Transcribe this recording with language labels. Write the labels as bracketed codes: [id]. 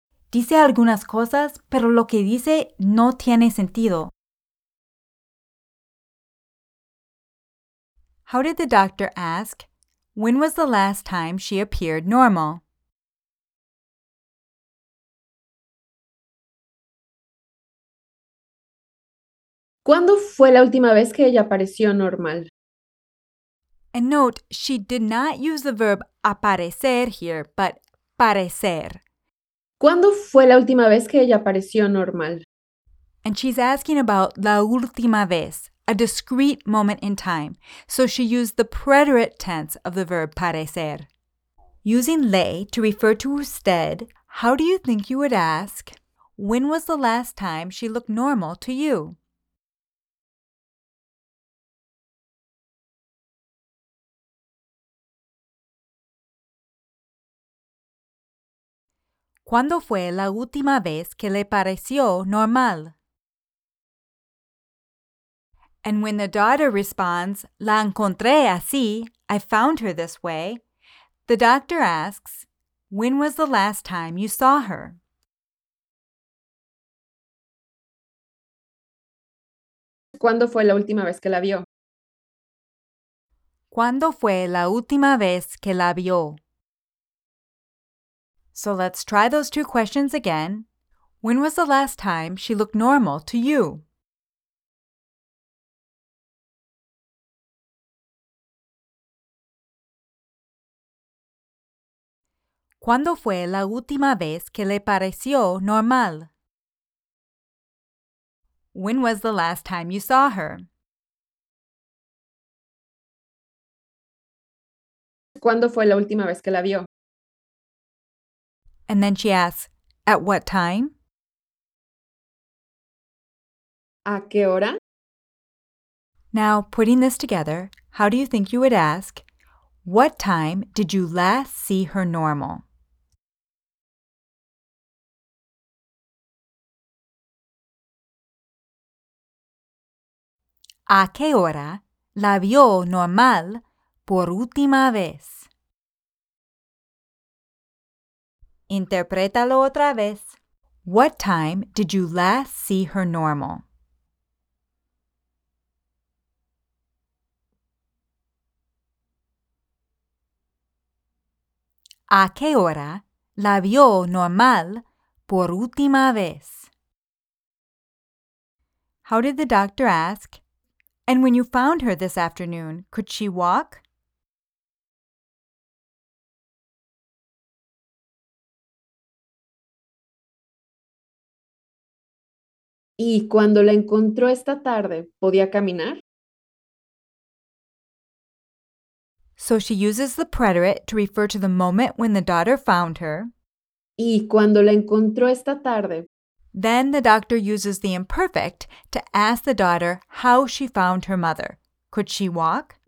[es] Dice algunas cosas, pero lo que dice no tiene sentido. [en] How did the doctor ask, when was the last time she appeared normal? [es] ¿Cuándo fue la última vez que ella apareció normal? [en] And note, she did not use the verb aparecer here, but parecer. [es] ¿Cuándo fue la última vez que ella apareció normal? [en] And she's asking about [es] la última vez, [en] a discrete moment in time. So she used the preterite tense of the verb parecer. Using le to refer to usted, how do you think you would ask, when was the last time she looked normal to you? [es] ¿Cuándo fue la última vez que le pareció normal? [en] And when the daughter responds, [es] la encontré así, [en] I found her this way, the doctor asks, when was the last time you saw her? [es] ¿Cuándo fue la última vez que la vio? ¿Cuándo fue la última vez que la vio? [en] So let's try those two questions again. When was the last time she looked normal to you? [es] ¿Cuándo fue la última vez que le pareció normal? [en] When was the last time you saw her? [es] ¿Cuándo fue la última vez que la vio? [en] And then she asks, at what time? [es] ¿A qué hora? [en] Now, putting this together, how do you think you would ask, what time did you last see her normal? [es] ¿A qué hora la vio normal por última vez? Interprétalo otra vez. [en] What time did you last see her normal? [es] ¿A qué hora la vio normal por última vez? [en] How did the doctor ask? And when you found her this afternoon, could she walk? [es] ¿Y cuando la encontró esta tarde, podía caminar? [en] So she uses the preterite to refer to the moment when the daughter found her. [es] ¿Y cuando la encontró esta tarde? [en] Then the doctor uses the imperfect to ask the daughter how she found her mother. Could she walk?